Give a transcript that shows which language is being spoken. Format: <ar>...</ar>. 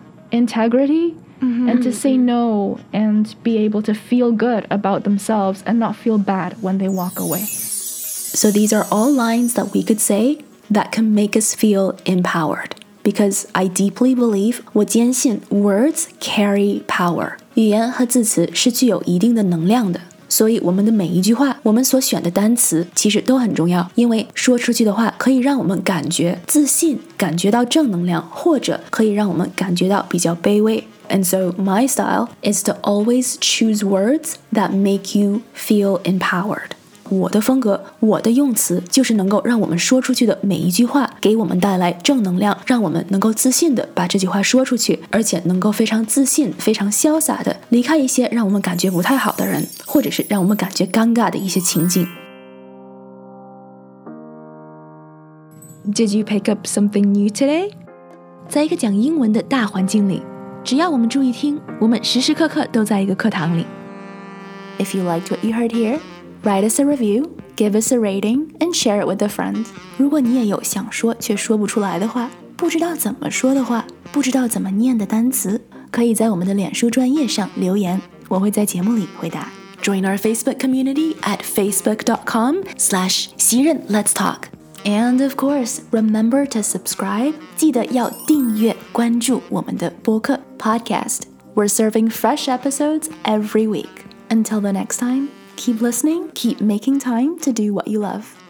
<en>with integrity、 mm-hmm. and to say no and be able to feel good about themselves and not feel bad when they walk away. So these are all lines that we could say that can make us feel empowered. Because I deeply believe,</en> <zh>我坚信</zh> <en>words carry power.</en> <zh>语言和字词是具有一定的能量的。所以我们的每一句话我们所选的单词其实都很重要因为说出去的话可以让我们感觉自信感觉到正能量或者可以让我们感觉到比较卑微</zh> <en>And so my style is to always choose words that make you feel empowered</en> <zh>我的风格我的用词就是能够让我们说出去的每一句话给我们带来正能量让我们能够自信地把这句话说出去而且能够非常自信非常潇洒地离开一些让我们感觉不太好的人或者是让我们感觉尴尬的一些情景</zh> <en>Did you pick up something new today?</en> <zh>在一个讲英文的大环境里只要我们注意听我们时时刻刻都在一个课堂里</zh> <en>If you liked what you heard here Write us a review give us a rating and share it with a friend.</en> <zh>如果你也有想说却说不出来的话，不知道怎么说的话，不知道怎么念的单词，可以在我们的脸书专页上留言，我会在节目里回答。</zh> <en>Join our Facebook community at facebook.com/xiren let's talk. And of course, remember to subscribe.</en> <zh>记得要订阅关注我们的播客</zh> <en>podcast. We're serving fresh episodes every week. Until the next time, keep listening, keep making time to do what you love.</en>